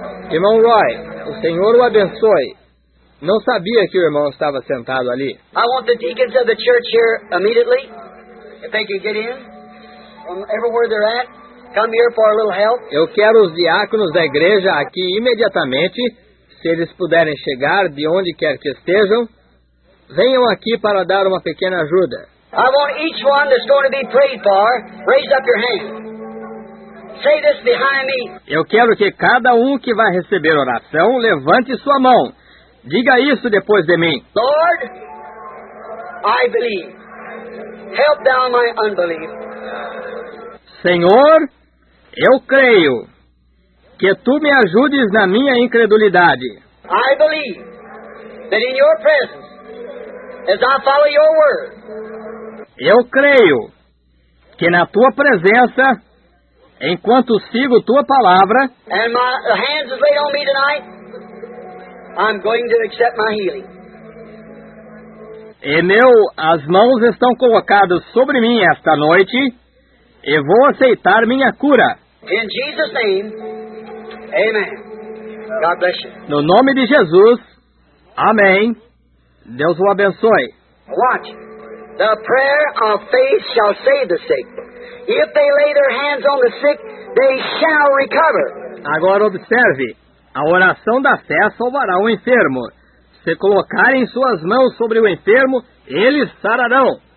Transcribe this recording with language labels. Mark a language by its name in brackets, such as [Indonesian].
[Portuguese] Irmão Roy, o Senhor o abençoe. Não sabia que o irmão estava sentado ali. [English] I want the deacons of the church here immediately. If they can get in, from everywhere they're at. Come here for a little help. [Portuguese] Eu quero os diáconos da igreja aqui imediatamente, se eles puderem chegar de onde quer que estejam, venham aqui para dar uma pequena ajuda. [English] I want each one that's going to be prayed for, raise up your hand. Say this behind me. [Portuguese] Eu quero que cada um que vai receber oração levante sua mão. Diga isso depois de mim. [English] Lord, I believe. Help down my unbelief. [Portuguese] Senhor, eu creio que tu me ajudes na minha incredulidade. [English] I believe that in your presence, as I follow your word. [Portuguese] Eu creio que na tua presença, enquanto sigo tua palavra, [English] and my hands is laid on me tonight, I'm going to accept my healing. [Portuguese] E meu, as mãos estão colocadas sobre mim esta noite. E vou aceitar minha cura. [English] In Jesus' name, amen. God bless you. [Portuguese] No nome de Jesus, amém. Deus o abençoe. [English] Watch. The prayer of faith shall save the sick. If they lay their hands on the sick, they shall recover. [Portuguese] Agora observe. A oração da fé salvará o enfermo. Se colocarem suas mãos sobre o enfermo, eles sararão.